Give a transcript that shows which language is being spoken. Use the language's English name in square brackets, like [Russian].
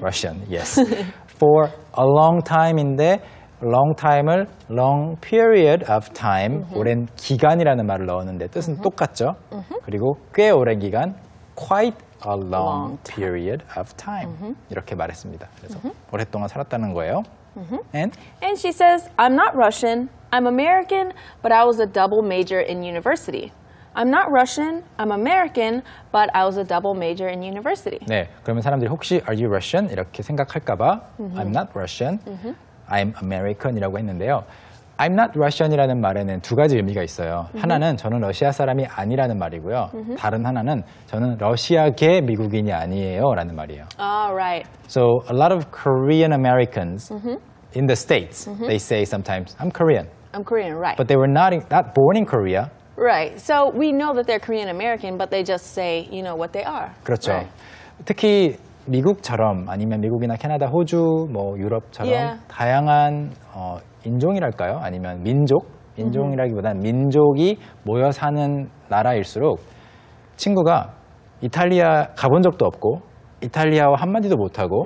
[English] Russian, yes. for a long time인데 long time을 long period of time, mm-hmm. [Korean] 오랜 기간이라는 말을 넣었는데 뜻은 mm-hmm. 똑같죠. Mm-hmm. 그리고 꽤 오랜 기간, [English] quite a long, long period of time. Mm-hmm. [Korean] 이렇게 말했습니다. 그래서 mm-hmm. 오랫동안 살았다는 거예요. Mm-hmm. [English] And she says, I'm not Russian, I'm American, but I was a double major in university. I'm not Russian, I'm American, but I was a double major in university. [Korean] 네, 그러면 사람들이 혹시 [English] Are you Russian? [Korean] 이렇게 생각할까 봐 mm-hmm. [English] I'm not Russian, mm-hmm. I'm American [Korean] 이라고 했는데요. [English] I'm not Russian [Korean] 이라는 말에는 두 가지 의미가 있어요. Mm-hmm. 하나는 저는 러시아 사람이 아니라는 말이고요. Mm-hmm. 다른 하나는 저는 러시아계 미국인이 아니에요 라는 말이에요. [English] All right. So a lot of Korean Americans mm-hmm. in the States, mm-hmm. they say sometimes, I'm Korean. I'm Korean, right. But they were not born in Korea. Right. So we know that they're Korean American, but they just say, you know, what they are. [Korean] 그렇죠. [English] Right. [Korean] 특히 미국처럼 아니면 미국이나 캐나다, 호주, 뭐 유럽처럼 [English] yeah. [Korean] 다양한 인종이랄까요? 아니면 민족? 인종이라기보다는 mm-hmm. 민족이 모여 사는 나라일수록 친구가 이탈리아 가본 적도 없고 이탈리아어 한마디도 못하고